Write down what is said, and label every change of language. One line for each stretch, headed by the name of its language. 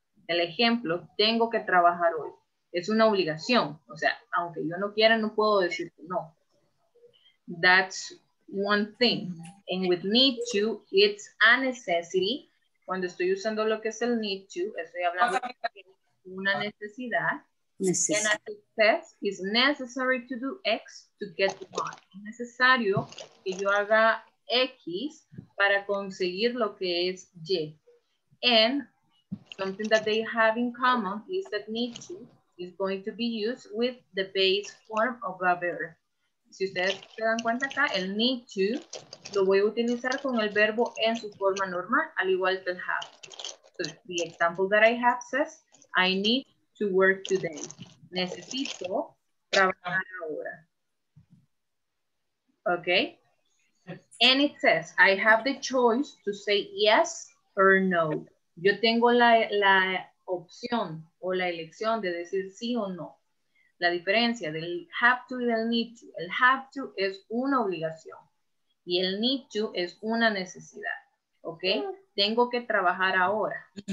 Spanish: El ejemplo, tengo que trabajar hoy. Es una obligación. O sea, aunque yo no quiera, no puedo decir no.
English: That's one thing. And with need to, it's a necessity.
Spanish: Cuando estoy usando lo que es el need to, estoy hablando de una necesidad. Necesidad.
English: It's necessary to do X to get Y.
Spanish: Es necesario que yo haga X para conseguir lo que es Y.
English: And something that they have in common is that need to is going to be used with the base form of a verb.
Spanish: Si ustedes se dan cuenta acá, el need to lo voy a utilizar con el verbo en su forma normal, al igual que el have.
English: So the example that I have says, I need to work today.
Spanish: Necesito trabajar ahora. Okay?
English: And it says, I have the choice to say yes or no.
Spanish: Yo tengo la opción o la elección de decir sí o no. La diferencia del have to y del need to. El have to es una obligación. Y el need to es una necesidad. ¿Ok? Tengo que trabajar ahora.